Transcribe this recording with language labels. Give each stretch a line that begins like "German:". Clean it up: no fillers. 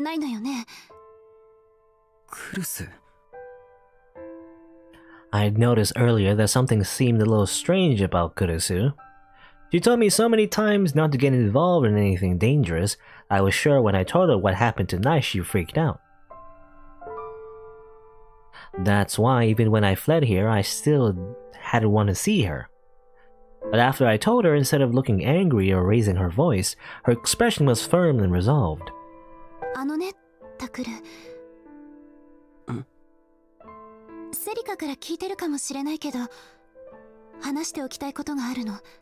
Japanese: お前、事件には関わるなってずっと言って。でももう遅いんでしょ?この先もタクルやアリムラさんが狙われるかもしれないのよね。クルス。
English: I had noticed earlier that something seemed a little strange about Kurusu. She told me so many times not to get involved in anything dangerous, I was sure when I told her what happened tonight she freaked out. That's why even when I fled here, I still hadn't wanted to see her. But after I told her, instead of looking angry or raising her voice, her expression was firm and resolved.
Japanese: あのね、タクル。セリカから聞いてるかもしれないけど、話しておきたいことがあるの。